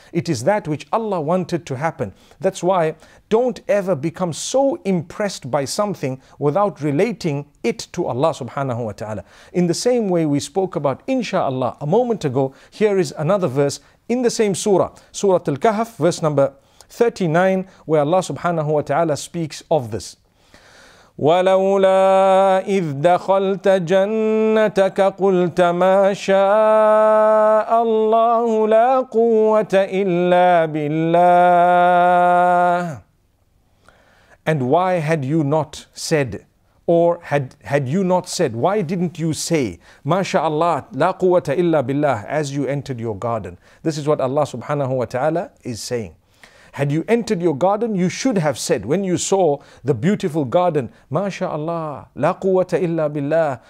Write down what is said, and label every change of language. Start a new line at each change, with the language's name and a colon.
English: It is that which Allah wanted to happen. That's why don't ever become so impressed by something without relating it to Allah subhanahu wa ta'ala. In the same way we spoke about inshaAllah a moment ago, here is another verse in the same surah, Surah Al-Kahf, verse number 39, where Allah subhanahu wa ta'ala speaks of this.
Arabic: ولولا إذ دخلت جنتك قلت ما شاء الله لا قوة إلا بالله.
English: And why had you not said, or had you not said, why didn't you say,
Arabic: ma sha Allah, la quwwata illa billah,
English: as you entered your garden? This is what Allah subhanahu wa ta'ala is saying. Had you entered your garden, you should have said, when you saw the beautiful garden,
Arabic: MashaAllah, la quwwata illa billah.